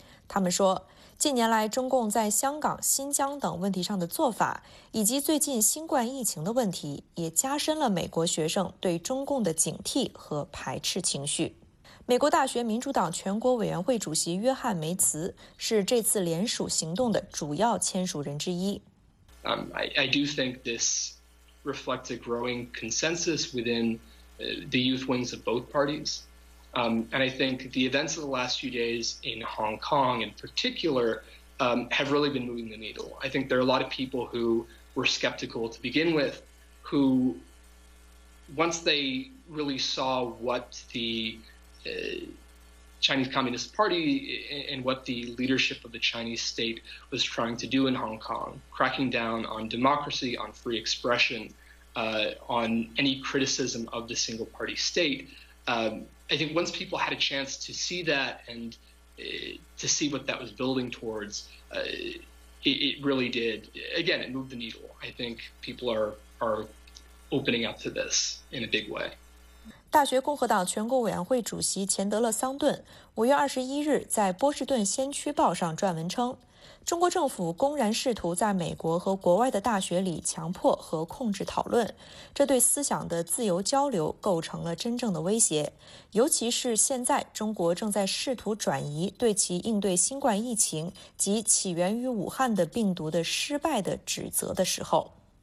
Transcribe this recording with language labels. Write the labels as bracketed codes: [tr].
[zh] 他们说，近年来中共在香港、新疆等问题上的做法，以及最近新冠疫情的问题，也加深了美国学生对中共的警惕和排斥情绪。美国大学民主党全国委员会主席约翰·梅茨是这次联署行动的主要签署人之一。 [en] I do think this reflects a growing consensus within the youth wings of both parties. And I think the events of the last few days in Hong Kong in particular have really been moving the needle. I think there are a lot of people who were skeptical to begin with, who once they really saw what the Chinese Communist Party and what the leadership of the Chinese state was trying to do in Hong Kong, cracking down on democracy, on free expression,on any criticism of the single party state. I think once people had a chance to see that and to see what that was building towards, it really did. Again, it moved the needle. I think people are opening up to this in a big way. [zh] 大学共和党全国委员会主席钱德勒·桑顿5月21日在波士顿先驱报上撰文称，中国政府公然试图在美国和国外的大学里强迫和控制讨论，这对思想的自由交流构成了真正的威胁，尤其是现在中国正在试图转移对其应对新冠疫情及起源于武汉的病毒的失败的指责的时候。